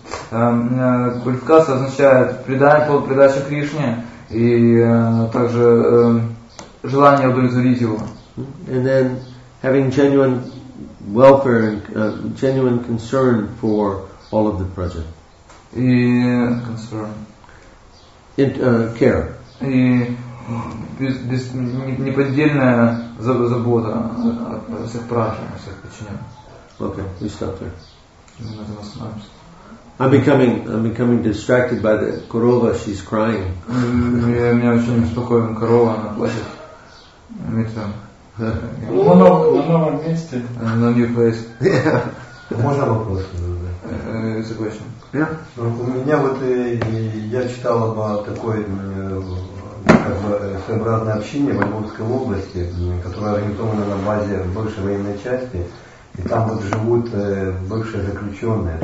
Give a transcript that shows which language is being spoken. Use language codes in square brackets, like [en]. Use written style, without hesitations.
[ru] квалификация означает предача Кришне и также желание удовлетворить его. [en] And then having genuine welfare and genuine concern for all of the praja. [ru] И concern. [en] Care. [ru] И без неподдельная забота о всех пражах, о всех подчиненных. [en] Okay, we stop there. I'm becoming distracted by the korova, she's crying. [ru] Меня очень беспокоит корова, она плачет. На новом месте. [en] На new place. [ru] Можно вопрос? Согласен. [en] Yeah. [ru] У меня вот я читал об такой как бы своеобразное общение в Оренбургской области, которое организовано на базе бывшей военной части, и там вот живут бывшие заключенные.